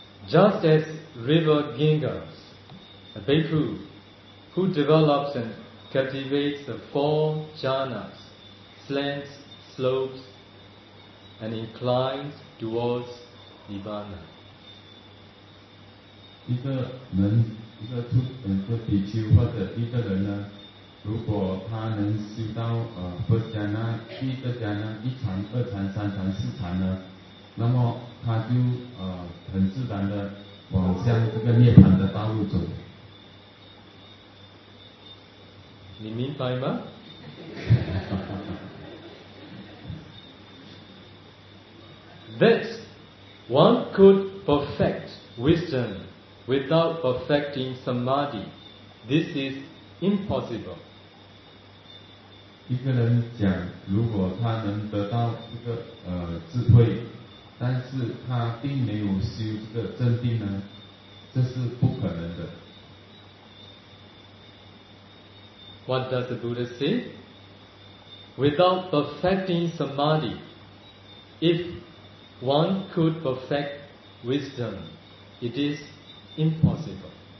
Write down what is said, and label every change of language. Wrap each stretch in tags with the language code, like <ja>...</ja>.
<en>Just as River Ganga, a bhikkhu who develops and cultivates the four jhanas, slants, slopes, and inclines towards nirvana.</en> <zh>一个人，一个出个比丘或者一个人呢？如果他能修到</zh> <en>first jhana、</en> <zh>第二jhana、一禅、二禅、三禅、四禅呢，那么他就很自然的往向这个涅槃的道路走。你明白吗？</zh> <en>That one could perfect wisdom without perfecting samadhi, this is impossible.</en> <zh>一个人讲，如果他能得到这个智慧，但是他并没有修这个正定呢，这是不可能的。</zh> <en>What does the Buddha say? Without perfecting samadhi, if one could perfect wisdom, it is impossible.</en>